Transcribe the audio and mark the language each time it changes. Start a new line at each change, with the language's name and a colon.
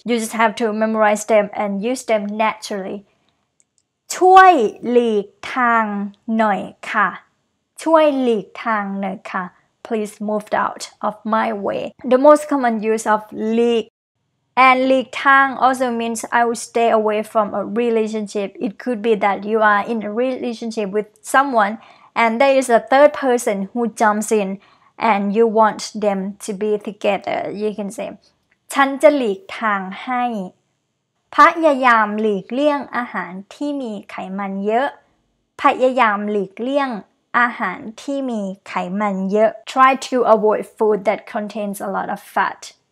English: You just have to memorize them and use them naturally.
Thai: ช่วยหลีกทางหน่อยค่ะช่วยหลีกทางหน่อยค่ะ
English: Please move out of my way. The most common use of หลีกAnd leak tang also means I will stay away from a relationship. It could be that you are in a relationship with someone and there is a third person who jumps in and you want them to be together. You can say,
Thai: ฉันจะหลีกทางให้พยายามหลีกเลี่ยงอาหารที่มีไขมันเยอะพยายามหลีกเลี่ยงอาหารที่มีไขมันเยอะ
English: Try to avoid food that contains a lot of fat.